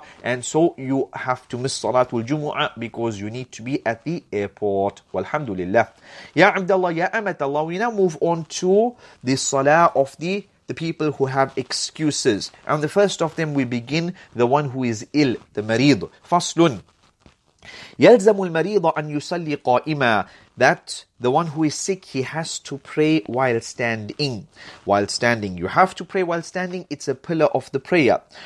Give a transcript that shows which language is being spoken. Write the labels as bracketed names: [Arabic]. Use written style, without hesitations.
[English] And so you have to miss Salatul Jumu'ah because you need to be at the airport. Walhamdulillah. Ya Abdullah, Ya Amatullah, we now move on to the Salah of the people who have excuses. And the first of them, we begin the one who is ill, the marid. [Arabic] Faslun. يلزم المريض أن يصلي قائما. [English] That the one who is sick, he has to pray while standing. While standing. You have to pray while standing. It's a pillar of the prayer.